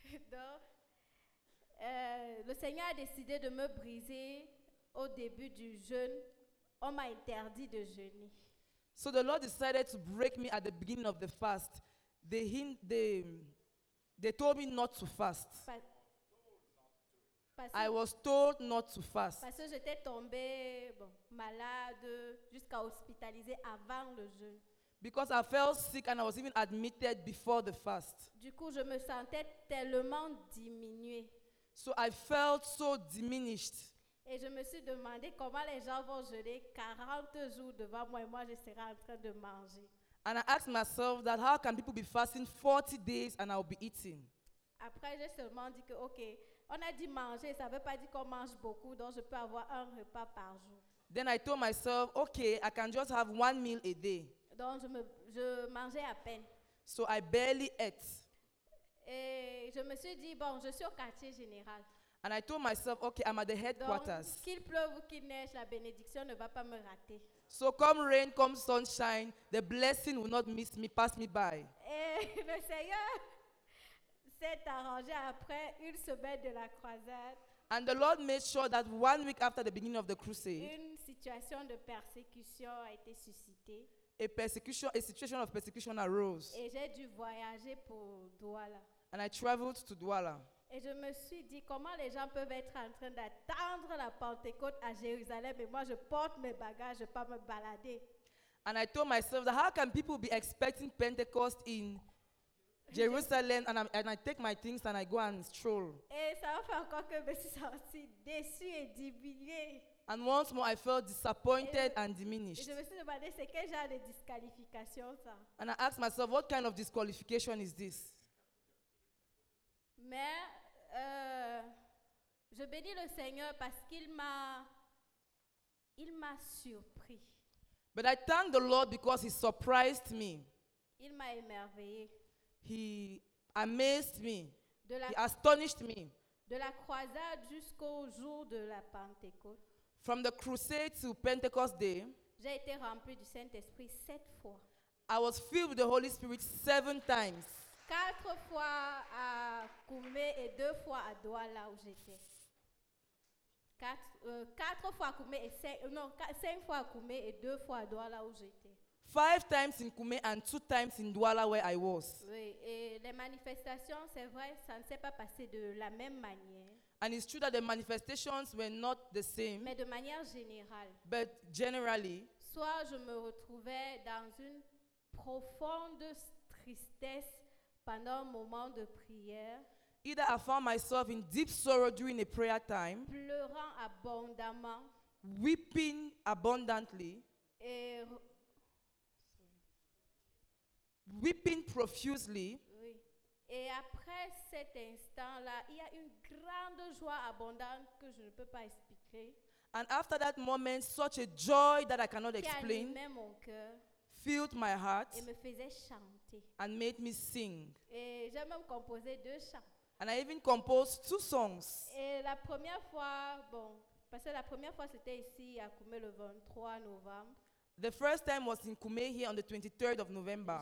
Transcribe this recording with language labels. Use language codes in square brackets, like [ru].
[fr] Donc, le Seigneur a décidé de me briser au début du jeûne. On m'a interdit de jeûner. [en] So the Lord decided to break me at the beginning of the fast. They told me not to fast. I was told not to fast. [fr] Parce que j'étais tombée malade jusqu'à hospitaliser avant le jeûne. [en] Because I felt sick and I was even admitted before the fast. [fr] Du coup, je me sentais tellement diminuée. [en] So I felt so diminished. [fr] Et je me suis demandé comment les gens vont jeûner 40 jours devant moi et moi je serai en train de manger. [en] And I asked myself that how can people be fasting 40 days and I'll be eating? [fr] Après j'ai seulement dit que OK, on a dit manger, ça veut pas dire qu'on mange beaucoup, donc je peux avoir un repas par jour. [en] Then I told myself, OK, I can just have one meal a day. [fr] Donc je mangeais à peine. [en] So I barely ate. [fr] Et je me suis dit bon, je suis au quartier général. [en] And I told myself, okay, I'm at the headquarters. [fr] Donc, qu'il pleuve ou qu'il neige, la bénédiction ne va pas me rater. [en] So come rain, come sunshine, the blessing will not miss me, pass me by. [fr] Et le Seigneur s'est arrangé après une semaine de la croisade. [en] And the Lord made sure that 1 week after the beginning of the crusade, [fr] une situation de persécution a été suscitée. [en] A situation of persecution arose. [fr] Et j'ai dû voyager pour Douala. [en] And I traveled to Douala. [fr] Et je me suis dit comment les gens peuvent être en train d'attendre la Pentecôte à Jérusalem et moi je porte mes bagages, je pas me balader. [en] And I told myself that how can people be expecting Pentecost in Jerusalem and I take my things and I go and stroll. [fr] Et ça a fait encore que je me suis senti déçu et diminué. [en] And once more I felt disappointed and diminished. [fr] Et je me suis demandé c'est quel genre de disqualification ça. [en] And I asked myself what kind of disqualification is this? [fr] Mais je bénis le Seigneur parce qu'il m'a surpris. [en] But I thank the Lord because he surprised me. [fr] Il m'a émerveillé. [en] He amazed me. He astonished me. [fr] De la croisade jusqu'au jour de la Pentecôte. [en] From the crusade to Pentecost day. [fr] J'ai été rempli du Saint-Esprit 7 fois. [en] I was filled with the Holy Spirit 7 times. [fr] 4 fois à Koumé et 2 fois à Douala où j'étais. 4 fois à Koumé et 5 fois à Koumé et 2 fois à Douala où j'étais. [en] 5 times in Koumé and 2 times in Douala where I was. [fr] Oui, et les manifestations, c'est vrai, ça ne s'est pas passé de la même manière. [en] And it's true that the manifestations were not the same. [fr] Mais de manière générale. [en] But generally, [fr] soit je me retrouvais dans une profonde tristesse pendant un moment de prière, [en] either I found myself in deep sorrow during a prayer time, [fr] pleurant abondamment, [en] weeping abundantly, weeping profusely. [fr] Oui. Et après cet instant-là, il y a une grande joie abondante que je ne peux pas expliquer. [en] And after that moment, such a joy that I cannot [fr] qui [en] explain. [fr] Qui animait mon cœur. [en] Filled my heart [fr] et me faisait chanter. [en] And made me sing. [fr] Et j'ai même composé 2 chants. [en] And I even composed 2 songs. [fr] Et la première fois, bon, parce que la première fois c'était ici à Koumé le 23 novembre. [en] The first time was in Koumé here on the 23rd of November.